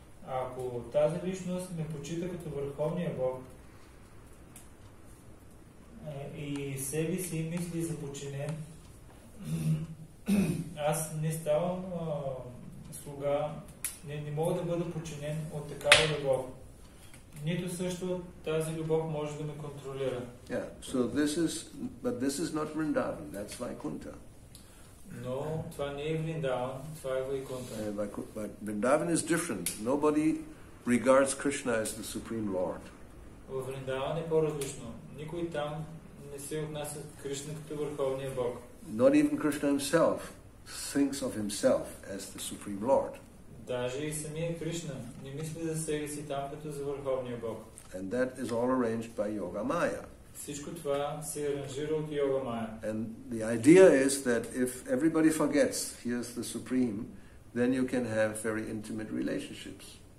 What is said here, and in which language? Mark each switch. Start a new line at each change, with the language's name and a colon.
Bulgarian: Ако тази личност ме почита като върховния Бог и себе си мисли за подчинен, аз не ставам слуга, не мога да бъда подчинен от такава любов. Нито също тази любов може да ме контролира.
English: Yeah, so this is, but this is not Vrindavan, that's Vaikuntha.
Bulgarian: No, това не е Vrindavan, това е Vaikuntha.
English: But Vrindavan is different. Nobody regards Krishna as the Supreme Lord.
Bulgarian: Във Vrindavan е по-различно. Никой там не се отнася Кришна като върховния Бог.
English: Not even Krishna himself thinks of himself as the Supreme Lord.
Bulgarian: Даже и самия Кришна не мисли за себе си там като за върховния Бог.
English: And that is all arranged by Yoga Maya.
Bulgarian: Всичко това се аранжира от Йога Майя.
English: And the idea is that if everybody forgets he is the Supreme, then you can have very intimate relationships.